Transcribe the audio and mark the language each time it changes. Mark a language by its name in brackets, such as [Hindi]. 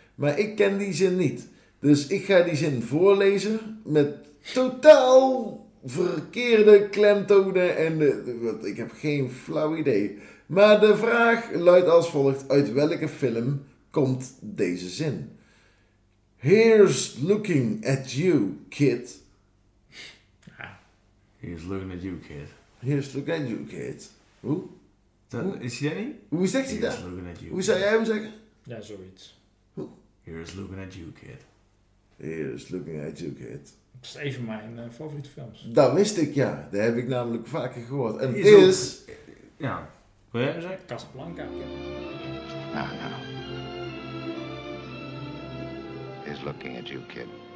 [Dutch] Maar ik ken die zin niet. Dus ik ga die zin voorlezen met totaal verkeerde klemtonen en ik heb geen flauw idee. Maar de vraag luidt als volgt: uit welke film komt deze zin? [English] Here's looking at you, kid. Here's looking at you, kid. Here's looking at you, kid. [Dutch] Hoe? Is hij dat niet? Hoe zegt hij dat? [English] Looking at you. [Dutch] Hoe zou jij hem zeggen? Ja, zoiets. Hoe? [English] Here's looking at you, kid. Here's looking at you, kid. [Dutch] Dat is een van mijn favoriete films. Dat wist ik, ja. Dat heb ik namelijk vaker gehoord. En het is... Ja. Wil jij hem zeggen? Casablanca. Nou, [English] looking at you, kid.